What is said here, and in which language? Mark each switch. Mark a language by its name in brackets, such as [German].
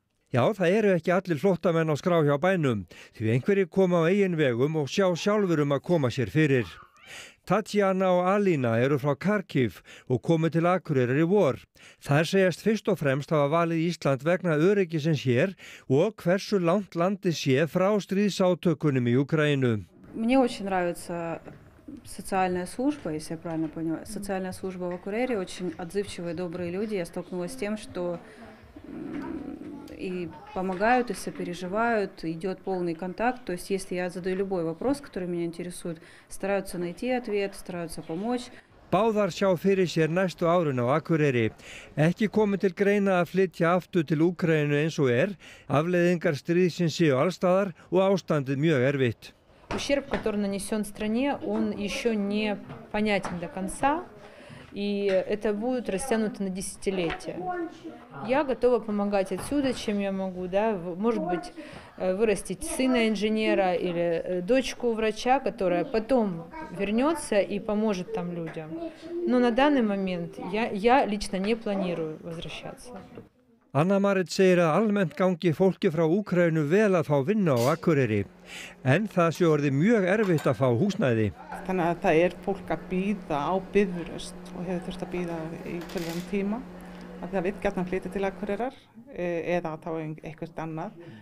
[Icelandic] Já, það eru ekki allir flóttamenn á skrá hjá bænum, því einhverjir koma á eigin vegum og sjá sjálfur að koma sér fyrir. Tatjana og Alina eru frá Kharkiv og komu til Akureyrar í vor. Þær segjast fyrst og fremst hafa valið Ísland vegna öryggisins hér og hversu langt landið sé frá stríðsátökunum í Úkraínu. Mér er mjög mjög mjög [Russian] социальная служба, если я правильно поняла, социальная служба в Акурере очень отзывчивые, добрые люди. Я столкнулась с тем, что и помогают, и сопереживают, идет полный контакт. То есть, если я задаю любой вопрос, который меня интересует, стараются найти ответ, стараются помочь. [Icelandic] Báðar sjá fyrir sér næstu árun á Akureyri. Ekki komi til greina að flytja aftur til Úkraínu eins og afleiðingar stríðsins séu allstaðar og ástandið mjög erfitt. [Russian] Ущерб, который нанесен стране, он еще не понятен до конца. и это будет растянуто на десятилетия. Я готова помогать отсюда, чем я могу, да, может быть, вырастить сына инженера или дочку врача, которая потом вернется и поможет там людям. Но на данный момент я лично не планирую возвращаться. [Icelandic] Anna Marit segir að almennt gangi fólki frá Úkraínu vel að fá vinna á Akureyri. En það sé orðið mjög erfitt að fá húsnæði. Þannig að það fólk að bíða á biðröst og hefur þurft að bíða í töluverðan tíma. Það vill gjarnan flytja til Akureyrar eða þá eitthvað annað.